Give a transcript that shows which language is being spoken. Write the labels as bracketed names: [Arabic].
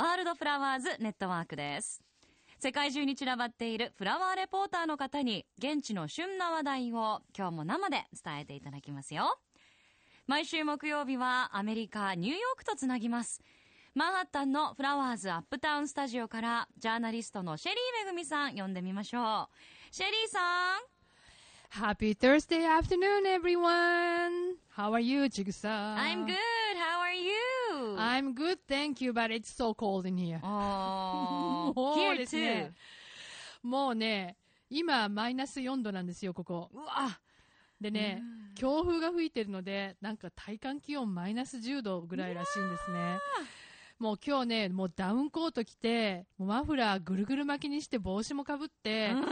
[Japanese] ワールドフラワーズネットワークです。世界中に散らばっているフラワーレポーターの方に現地の旬な話題を今日も生で伝えていただきますよ。毎週木曜日はアメリカ、ニューヨークとつなぎます。マンハッタンのフラワーズアップタウンスタジオからジャーナリストのシェリーめぐみさん呼んでみましょう。シェリーさん、 [English] Happy Thursday afternoon, everyone! How are you, Chigusa? I'm good! How are you? I'm good, thank you, but it's so cold in here. Oh, here too! [Japanese] もうね、今マイナス4度なんですよ、ここ。うわ！でね、強風が吹いてるので、なんか体感気温マイナス10度ぐらいらしいんですね。もう今日ね、もうダウンコート着て、もうマフラーぐるぐる巻きにして帽子もかぶって、